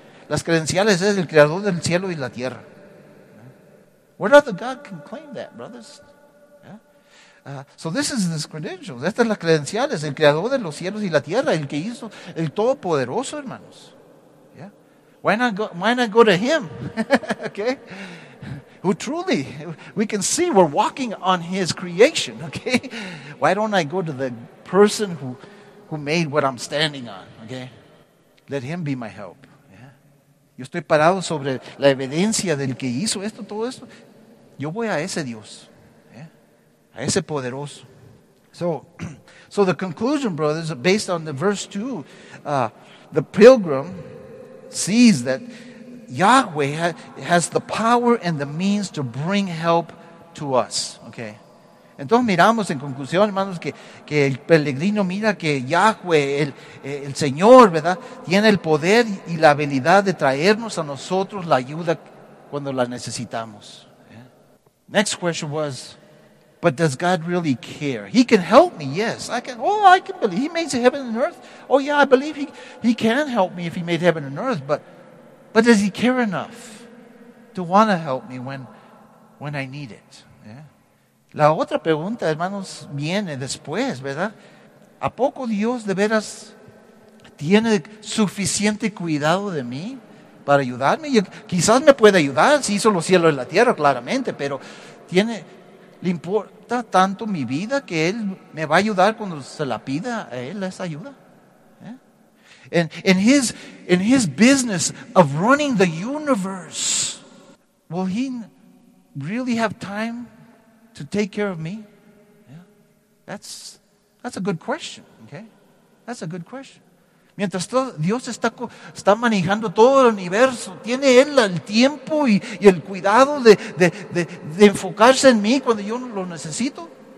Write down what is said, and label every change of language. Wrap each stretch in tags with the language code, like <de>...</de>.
<es>Las credenciales es el creador del cielo y la tierra.</es> <en>What other God can claim that, brothers? So this is his credentials.</en> <es>Estas son las credenciales, el creador de los cielos y la tierra, el que hizo, el todopoderoso, hermanos.</es> <en>Yeah. Why not go to him? Okay. Who truly, we can see we're walking on his creation, okay? Why don't I go to the person who made what I'm standing on, okay? Let him be my help. Yeah.</en> <es>Yo estoy parado sobre la evidencia del que hizo esto, todo esto. Yo voy a ese Dios, yeah? A ese poderoso.</es> <en>So the conclusion, brothers, based on the verse 2, the pilgrim sees that Yahweh has the power and the means to bring help to us. Okay.</en> <es>Entonces miramos en conclusión, hermanos, que el peregrino mira que Yahweh, el Señor, ¿verdad?, tiene el poder y la habilidad de traernos a nosotros la ayuda cuando la necesitamos.</es> <en>Yeah. Next question was, but does God really care? He can help me, yes. I can believe. He made heaven and earth. Oh, yeah, I believe he can help me if he made heaven and earth, but does he care enough to want to help me when I need it?</en> <es>Yeah. La otra pregunta, hermanos, viene después, ¿verdad? ¿A poco Dios de veras tiene suficiente cuidado de mí para ayudarme? Yo, quizás me puede ayudar si hizo los cielos y la tierra, claramente, pero tiene, ¿le importa tanto mi vida que Él me va a ayudar cuando se la pida a Él esa ayuda?</es> <en>And in his business of running the universe, will he really have time to take care of me? Yeah. That's a good question, okay? That's a good question.</en> <es>Mientras Dios está manejando todo el universo, ¿tiene Él el tiempo y el cuidado de enfocarse en mí cuando yo lo necesito?</es>